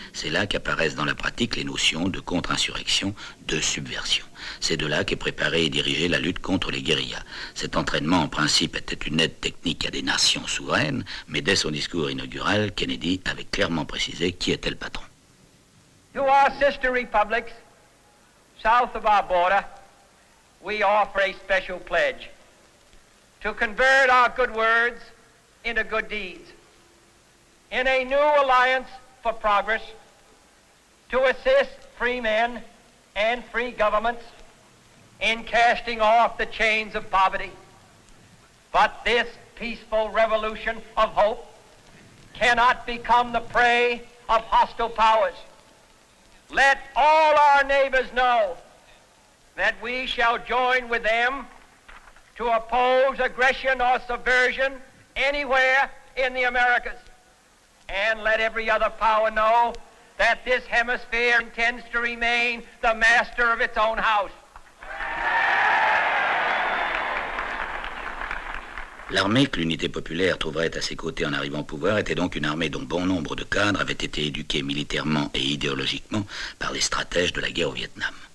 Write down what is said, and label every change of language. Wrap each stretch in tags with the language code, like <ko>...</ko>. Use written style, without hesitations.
<fr>C'est là qu'apparaissent dans la pratique les notions de contre-insurrection, de subversion. C'est de là qu'est préparée et dirigée la lutte contre les guérillas. Cet entraînement, en principe, était une aide technique à des nations souveraines, mais dès son discours inaugural, Kennedy avait clairement précisé qui était le patron.</fr> <en>To our sister republics, south of our border, we offer a special pledge. To convert our good words into good deeds. In a new alliance for progress, to assist free men and free governments in casting off the chains of poverty. But this peaceful revolution of hope cannot become the prey of hostile powers. Let all our neighbors know that we shall join with them to oppose aggression or subversion anywhere in the Americas. And let every other power know that this hemisphere intends to remain the master of its own house.</en> <fr>L'armée que l'unité populaire trouverait à ses côtés en arrivant au pouvoir était donc une armée dont bon nombre de cadres avaient été éduqués militairement et idéologiquement par les stratèges de la guerre au Vietnam.</fr>